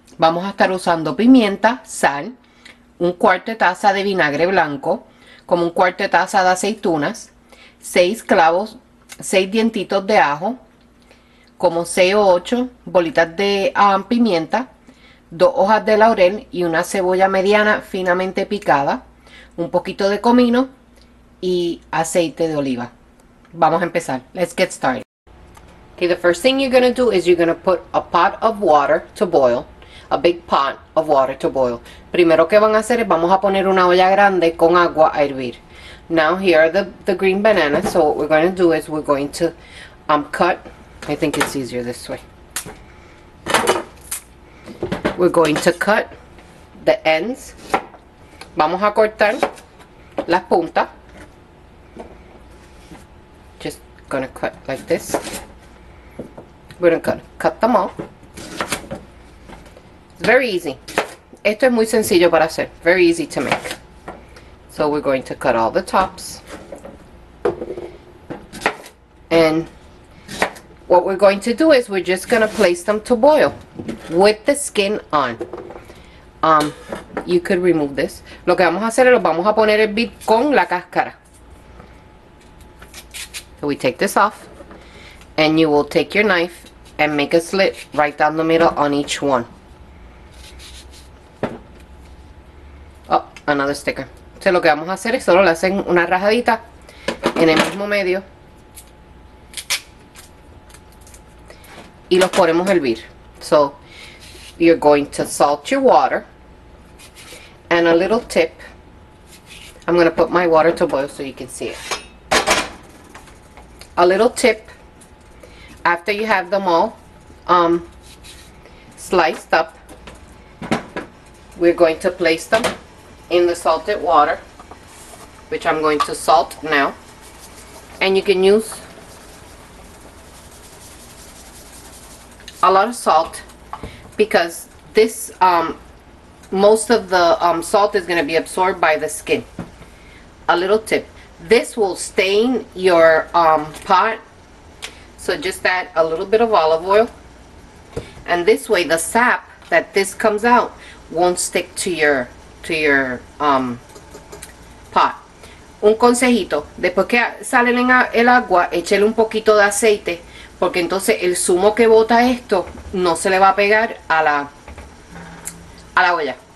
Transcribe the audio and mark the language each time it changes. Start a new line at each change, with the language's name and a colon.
Spanish: Vamos a estar usando pimienta, sal, 1/4 taza de vinagre blanco, como 1/4 taza de aceitunas, 6 clavos, 6 dientitos de ajo, como 6 o 8 bolitas de pimienta, 2 hojas de laurel y una cebolla mediana finamente picada, un poquito de comino y aceite de oliva. Vamos a empezar.
English: Let's get started. Okay, the first thing you're going to do is you're going to put a pot of water to boil, a big pot of water to boil.
Spanish: Primero que van a hacer es vamos a poner una olla grande con agua a hervir.
English: Now here are the green bananas, so what we're going to do is we're going to cut, I think it's easier this way. We're going to cut the ends.
Spanish: Vamos a cortar las puntas.
English: Just going to cut like this. We're going to cut them all. Very easy.
Spanish: Esto es muy sencillo para hacer,
English: very easy to make. So we're going to cut all the tops, and what we're going to do is we're just going to place them to boil with the skin on. You could remove this.
Spanish: Lo que vamos a hacer es lo vamos a poner hervir con la cáscara.
English: So we take this off, and you will take your knife and make a slit right down the middle on each one. Oh, another sticker.
Spanish: Entonces lo que vamos a hacer es solo le hacen una rajadita en el mismo medio y los ponemos a hervir.
English: So you're going to salt your water, and a little tip, I'm going to put my water to boil so you can see it. A little tip, after you have them all sliced up, we're going to place them in the salted water, which I'm going to salt now, and you can use a lot of salt because this most of the salt is going to be absorbed by the skin. A little tip, this will stain your pot, so just add a little bit of olive oil, and this way the sap that this comes out won't stick to your pot.
Spanish: Un consejito, después que sale el agua, échele un poquito de aceite, porque entonces el zumo que bota esto no se le va a pegar a la olla.